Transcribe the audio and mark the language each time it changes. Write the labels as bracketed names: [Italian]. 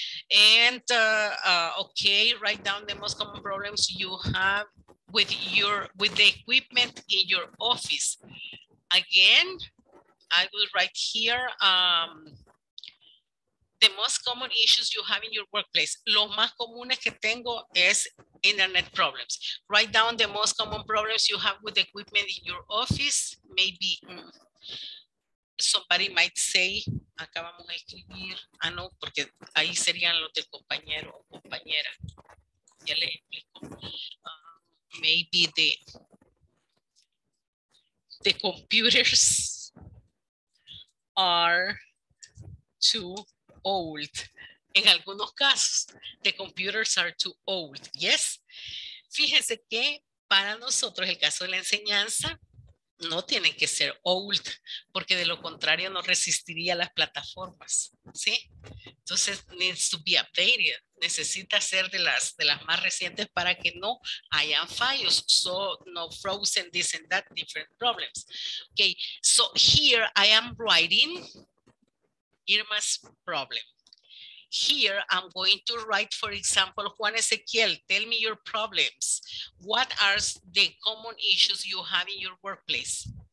[English] And, okay, write down the most common problems you have with your with the equipment in your office. Again, I will write here... the most common issues you have in your workplace. [Spanish] Los más comunes que tengo es [English] internet problems. Write down the most common problems you have with equipment in your office. Maybe somebody might say, [Spanish] acá vamos a escribir, ah no, porque ahí serían los del compañero o compañera. Ya les explico. [English] Maybe the computers are too old [Spanish] En algunos casos, [English] the computers are too old. Yes. [Spanish] Fíjense que para nosotros el caso de la enseñanza no tiene que ser old, porque de lo contrario no resistiría las plataformas, ¿sí? Entonces, [English] needs to be updated. [Spanish] Necesita ser de las más recientes para que no hayan fallos. [English] So, no frozen, this and that, different problems. Okay, so here I am writing Irma's problem. Here I'm going to write, for example, Juan Ezequiel, tell me your problems. What are the common issues you have in your workplace?